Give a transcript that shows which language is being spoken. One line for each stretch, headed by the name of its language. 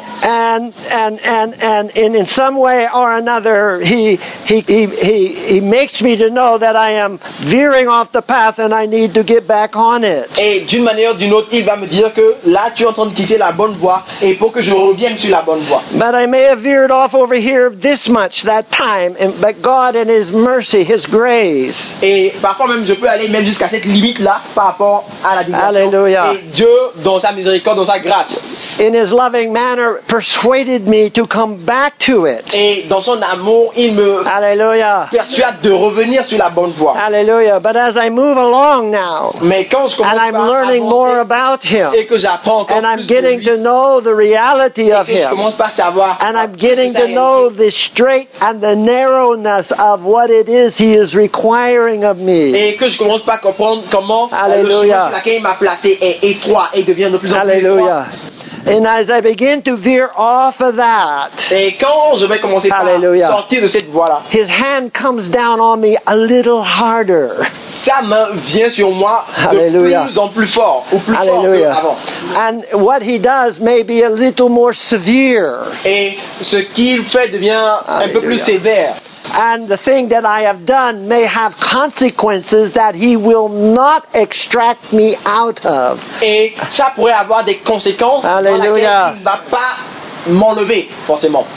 English: And in some way or another, he makes me to know that I am veering off the path and I need to get back on it.
French: Et d'une manière ou d'une autre, il va me dire que là tu es en train de quitter la bonne voie et pour que je revienne sur la bonne voie.
English: But I may have veered off over here this much that time, but God in his mercy, his grace.
French: Et parfois même je peux aller même jusqu'à cette limite là par rapport à la dimension. Alléluia. Et Dieu dans sa miséricorde, dans sa grâce,
English: in his loving manner persuaded me to come back to it.
French: Et dans son amour, il me persuade de revenir sur la bonne voie.
English: Alléluia. But as I move along now, and I'm learning more about him,
French: et que j'apprends
English: and I'm getting
French: lui,
English: to know the reality of him, and I'm getting to know the straight and the narrowness of what it is he is requiring of me. Hallelujah. Hallelujah. And as I begin to veer off of that,
French: et quand je vais commencer par sortir de cette voie-là,
English: his hand comes down on me a little harder.
French: Sa main vient sur moi de plus en plus fort, ou plus fort que avant.
English: And what he does may be a little more severe.
French: Et ce qu'il fait devient un peu plus sévère.
English: And the thing that I have done may have consequences that he will not extract me out of.
French: Et ça pourrait avoir des conséquences dans laquelle il ne va pas m'enlever forcément.